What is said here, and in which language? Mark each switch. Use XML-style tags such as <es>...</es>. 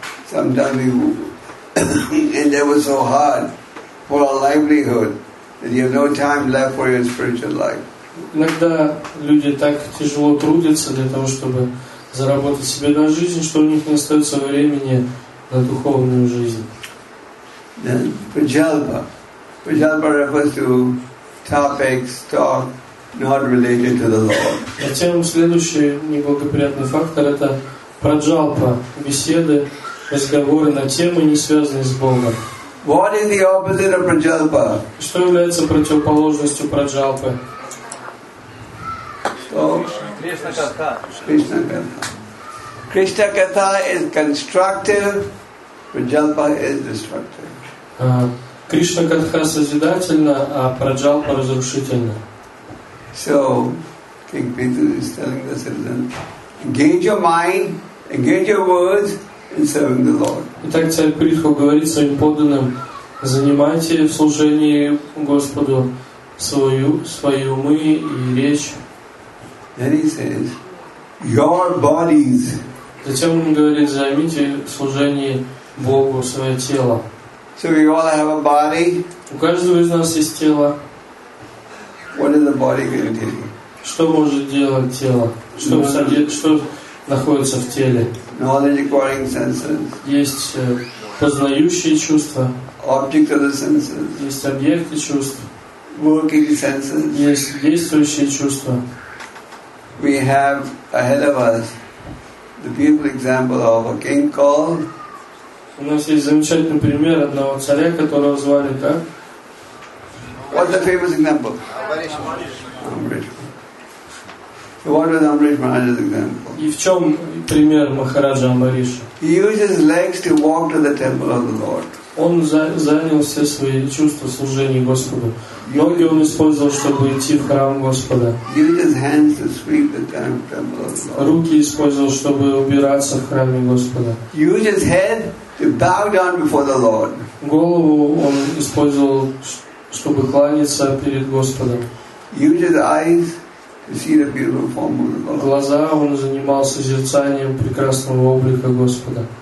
<en>Sometimes we endeavor so hard for our livelihood that you have no time left for your spiritual life.</en> <ru>Иногда люди так тяжело трудятся для того, чтобы заработать себе на жизнь, что у них не остается времени на духовную жизнь.</ru> <en>Then prajalpa. Prajalpa refers to topics, talk, not related to the Lord.</en> <ru>Затем следующий неблагоприятный фактор – это праджалпа, беседы, разговоры на темы, не связанные с Богом.</ru> <en>What is the opposite of праджалпа?</en> <ru>Что является противоположностью праджалпы?</ru> <en>Кришна катха. Кришна катха. Кришна катха is constructive, праджалпа is destructive.</en> <ru>Кришна катха созидательна, а праджалпа разрушительна.</ru> <en>So, King Pitu is telling the citizen, engage your mind, engage your words in serving the Lord.</en> <ru>Итак, царь Притху говорит своим подданным, занимайте в служении Господу свои умы и речь.</ru> <en>Then he says, your bodies.</en> <ru>Затем он говорит, займите в служении Богу свое тело.</ru> <en>So we all have a body.</en> <ru>У каждого из нас есть тело.</ru> <en>What is the body going to do?</en> <ru>Что может делать тело? Что находится в теле?</ru> <en>Knowledge acquiring senses.</en> <ru>Есть познающие чувства.</ru> <en>Object of the senses.</en> <ru>Есть объекты чувств.</ru> <en>Working senses.</en> <ru>Есть действующие чувства.</ru> <en>We have ahead of us the beautiful example of a king called.</en> <ru>У нас есть замечательный пример одного царя, которого звали так.</ru> <en>What's the famous example? What was Amrish Maharaj's example?</en> <ru>И в чем пример Махараджа Амбариша?</ru> <en>He used his legs to walk to the temple of the Lord.</en> <ru>Он занял все свои чувства служения Господу. Ноги он использовал, чтобы идти в храм Господа.</ru> <en>He used his hands to sweep the temple of the Lord.</en> <ru>Руки использовал, чтобы убираться в храме Господа.</ru> <en>He used his head to bow down before the Lord.</en> <ru>Голову он использовал, чтобы кланяться перед Господом.</ru> <en>He used his eyes. See the beautiful form of the Lord.</en> <ru>Глаза он занимался созерцанием прекрасного облика Господа.</ru>